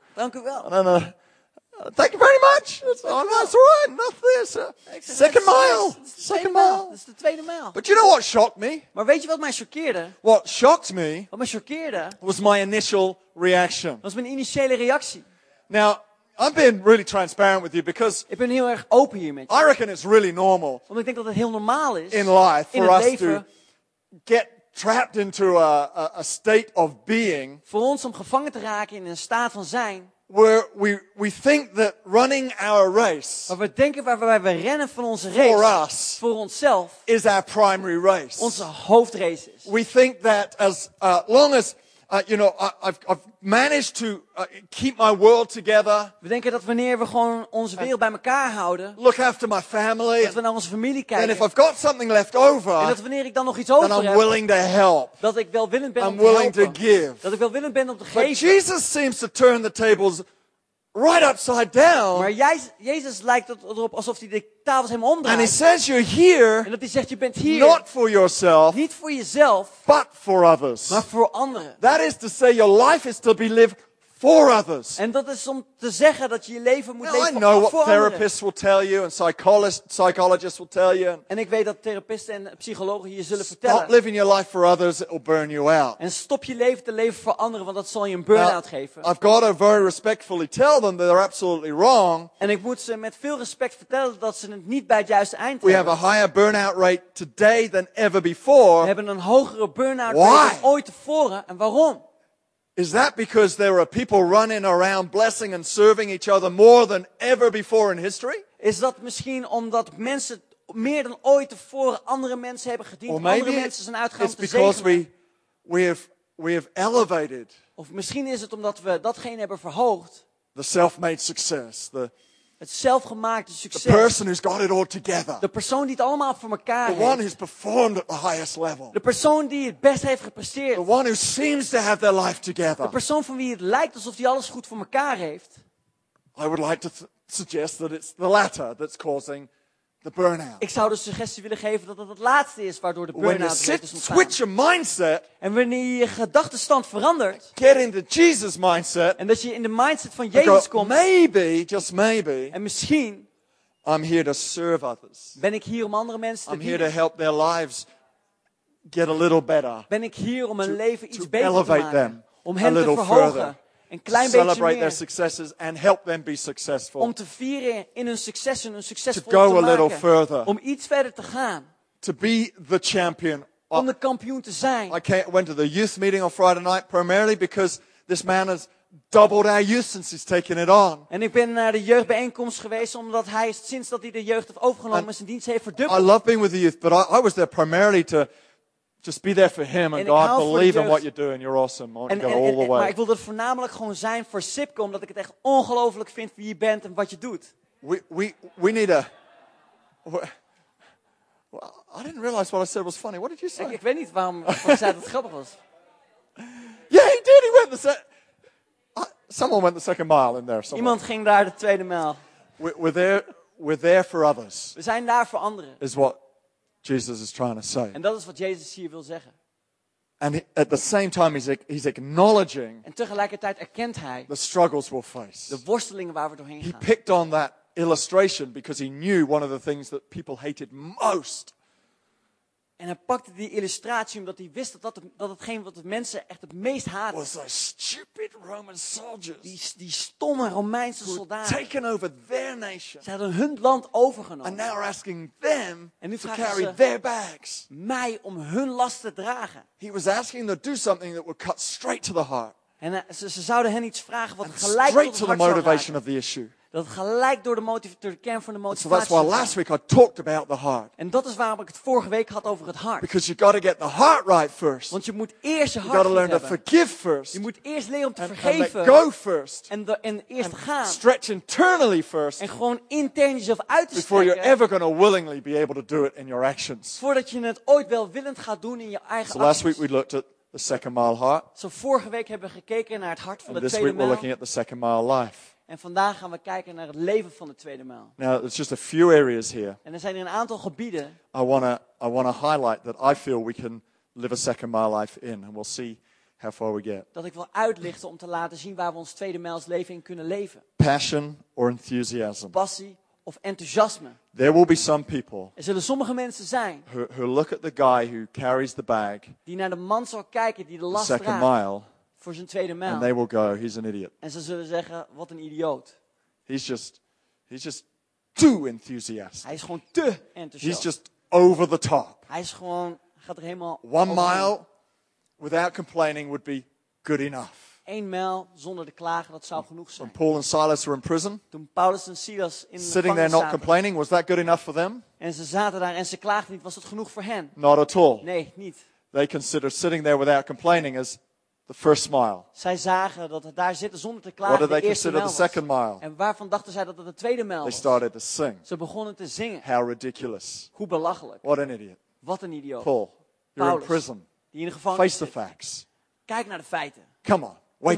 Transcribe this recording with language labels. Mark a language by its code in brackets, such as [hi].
[en] Thank you well. And then, thank you very much. That's all right. Nothing. Second mile. Second mile. It's the [nl] tweede mijl. [en] But you know what shocked me? [nl] Maar weet je wat mij choqueerde? [en] What shocked me? [nl] Wat mij choqueerde? [en] Was my initial reaction. [nl] Was mijn initiële reactie. [en] Now, I'm being really transparent with you because [nl] ik ben heel erg open hier met je. [en] I reckon it's really normal. [nl] Want ik denk dat het heel normaal is [en] in life in for [nl] het [en] us [nl] leven [en] to get trapped into a state of being. [nl] Voor ons om gevangen te raken in een staat van zijn. [en] Where we think that running our race. [nl] Waar we denken waarbij we rennen van onze race. [en] For us. [nl] Voor onszelf. [en] Is our primary race. [nl] Onze hoofdrace is. [en] We think that as long as you know, I've managed to keep my world together. [nl] We denken dat wanneer we gewoon onze wereld bij elkaar houden. [en] Look after my family. [nl] Dat we naar onze familie kijken. [en] And if I've got something left over. [nl] En dat wanneer ik dan nog iets over [en] then I'm [nl] heb. [en] I'm willing to help. [nl] Dat ik welwillend ben [en] I'm [nl] om [en] willing [nl] te helpen. [en] To give. [nl] Dat ik welwillend ben om te geven. [en] But Jesus seems to turn the tables right upside down. [nl] Maar Jezus lijkt erop alsof hij de tafels helemaal omdraait. [en] And he says you're here. [nl] En dat hij zegt je bent hier. [en] Not for yourself. [nl] Niet voor jezelf. [en] But for others. [nl] Maar voor anderen. [en] That is to say your life is to be lived for others. [nl] En dat is om te zeggen dat je leven moet [en] now, [nl] leven [en] I know [nl] voor [en] what therapists [nl] anderen. [en] Will tell you and psychologists will tell you. [nl] En ik weet dat therapisten en psychologen je zullen [en] stop [nl] vertellen. [en] Stop living your life for others, it will burn you out. [nl] En stop je leven te leven voor anderen, want dat zal je een burn-out [en] now, [nl] geven. [en] I've got to very respectfully tell them that they're absolutely wrong. [nl] En ik moet ze met veel respect vertellen dat ze het niet bij het juiste eind [en] we [nl] hebben. [en] We have a higher burn-out rate today than ever before. [nl] We hebben een hogere burn-out [en] why? [nl] Rate dan ooit tevoren. En waarom? [en] Is that because there are people running around blessing and serving each other more than ever before in history? [nl] Is dat misschien omdat mensen meer dan ooit tevoren andere mensen hebben gediend? [en] Or maybe [nl] andere mensen zijn uitgegaan [en] it's because [nl] te zegenen. [en] we have elevated. [nl] Of misschien is het omdat we datgene hebben verhoogd. [en] The self-made success. The [nl] het zelfgemaakte succes. [en] The person who's got it all together. [nl] De persoon die het allemaal voor elkaar [en] the [nl] heeft. [en] One who's performed at the highest level. [nl] De persoon die het best heeft gepresteerd. [en] The one who seems to have their life together. [nl] De persoon van wie het lijkt alsof die alles goed voor elkaar heeft. [en] I would like to suggest that it's the latter that's causing the burnout. [nl] Ik zou de suggestie willen geven dat het het laatste is waardoor de burn-out is ontstaan. [en] Switch your mindset. [nl] En wanneer je gedachtenstand verandert. [en] Get into Jesus mindset. [nl] En dat je in de mindset van Jezus komt. [en] Maybe, just maybe. [nl] En misschien. [en] I'm here to serve others. [nl] Ben ik hier om andere mensen te dienen? [en] I'm here to help their lives get a little better. [nl] Ben ik hier om hun leven iets beter te maken? [en] To elevate them [nl] om hen te verhogen. Een klein beetje meer. [en] Celebrate their successes and help them be successful. [nl] Om te vieren in hun successen en hun succesvol te maken. [en] To go a little further. [nl] Om iets verder te gaan. [en] To be the champion. [nl] Om de kampioen te zijn. [en] I went to the youth meeting on Friday night primarily because this man has doubled our youth since he's taken it on. [nl] En ik ben naar de jeugdbijeenkomst geweest omdat hij sinds dat hij de jeugd heeft overgenomen zijn dienst heeft verdubbeld. [en] I love being with the youth, but I was there primarily to just be there for him and God, believe in what you're doing. You're awesome. I want to go all the way. [nl] Maar ik wilde voornamelijk gewoon zijn voor Sipco, omdat ik het echt ongelooflijk vind wie je bent en wat je doet. [en] We need a. I didn't realize what I said was funny. What did you say? [nl] Ik weet niet waarom ik zei dat het grappig was. [en] Yeah, he did. He went the second. Someone went the second mile in there. Someone. [nl] Iemand ging daar de tweede mijl. [en] We're there for others. [nl] We zijn daar voor anderen. [en] Is what Jesus is trying to say. [nl] En dat is wat Jezus hier wil zeggen. [en] And at the same time he's acknowledging. [nl] En tegelijkertijd erkent hij. [en] The struggles we'll face. [nl] De worstelingen waar we doorheen gaan. [en] He picked on that illustration because he knew one of the things that people hated most. [nl] En hij pakte die illustratie omdat hij wist dat hetgeen wat de mensen echt het meest haatten. [en] Was those stupid Roman soldiers. [nl] Die stomme Romeinse soldaten. [en] Taken over their nation. [nl] Ze hadden hun land overgenomen. [en] And now are asking them to carry their bags. [nl] Mij om hun last te dragen. [en] He was asking them to do something that would cut straight to the heart. [nl] En ze zouden hen iets vragen wat [en] and [nl] gelijk [en] straight [nl] tot het hart [en] to the motivation of the issue. [nl] Dat gelijk door de kern van de motivatie. [en] So that's why last week I talked about the heart. [nl] En dat is waarom ik het vorige week had over het hart. [en] Because you got to get the heart right first. [nl] Want je moet eerst je hart. [en] You got to learn to forgive first. [nl] Je moet eerst leren om te vergeven. [en] And go first. [nl] En eerst gaan. [en] Stretch internally first. [nl] En gewoon intern jezelf uit te strekken. [en] Before you're ever going to willingly be able to do it in your actions. [nl] Voordat je het ooit welwillend gaat doen in je eigen acties. [en] So last week we looked at the second mile heart. [nl] Zo vorige week hebben we gekeken naar het hart van de tweede mijl. [en] And this week we're looking at the second mile life. [nl] En vandaag gaan we kijken naar het leven van de tweede mijl. [en] Now, there's just a few areas here. [nl] En er zijn een aantal gebieden. [en] I wanna highlight that I feel we can live a second mile life in, and we'll see how far we get. [nl] Dat ik wil uitlichten om te laten zien waar we ons tweede mijls leven in kunnen leven. [en] Passion or enthusiasm. [nl] Passie of enthousiasme. [en] There will be some people. [nl] Er zullen sommige mensen zijn. [en] Who look at the guy who carries the bag. [nl] Die naar de man zal kijken die de last draagt. [en] Second mile. [nl] Voor zijn tweede mijl. [en] And they will go, he's an idiot. [nl] En ze zullen zeggen, wat een idioot. [en] He's just too enthousiastic. [nl] Hij is gewoon te enthousiast. [en] He's just over the top. [nl] Hij is gewoon, gaat er helemaal. [en] One mile without complaining would be good enough. [nl] 1 mijl zonder te klagen, dat zou genoeg zijn. [en] When Paul and Silas were in prison. [nl] Toen Paulus en Silas in de gevangenis [en] sitting there not complaining, was that good enough for them? [nl] En ze zaten daar en ze klaagden niet, was dat genoeg voor hen? [en] Not at all. [nl] Nee, niet. [en] They consider sitting there without complaining as the first mile. [nl] Zij zagen dat het daar zitten zonder te klagen de eerste mijl. [en] The second mile? [nl] En waarvan dachten zij dat het de tweede mijl was? [en] They started to sing. [nl] Ze begonnen te zingen. [en] How ridiculous. [nl] Hoe belachelijk. [en] What an idiot. [nl] Wat een idioot. [en] Paul, you're [nl] Paulus, [en] in prison. [nl] Die in de gevangenis [en] face [nl] zit. [en] The facts. [nl] Kijk naar de feiten. [en] Come on, wake